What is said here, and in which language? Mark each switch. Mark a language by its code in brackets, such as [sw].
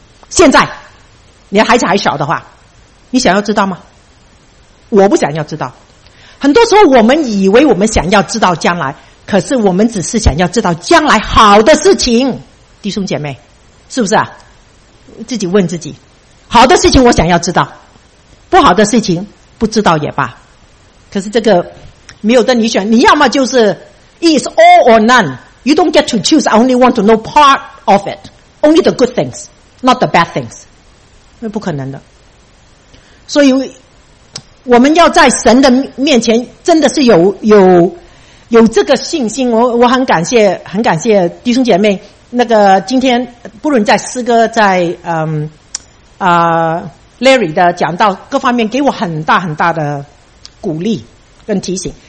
[zh] 现在你的孩子还小的话，你想要知道吗？我不想要知道。很多时候我们以为我们想要知道将来，可是我们只是想要知道将来好的事情，弟兄姐妹，是不是啊？自己问自己，好的事情我想要知道，不好的事情不知道也罢。可是这个没有的你选，你要么就是 [en] It's all or none, you don't get to choose, I only want to know part of it, only the good things, not the bad things, [zh] 那不可能的。所以我们要在神的面前真的是有这个信心。我很感谢弟兄姐妹，那个今天不论在诗歌在Larry 的讲到各方面给我很大很大的鼓励跟提醒。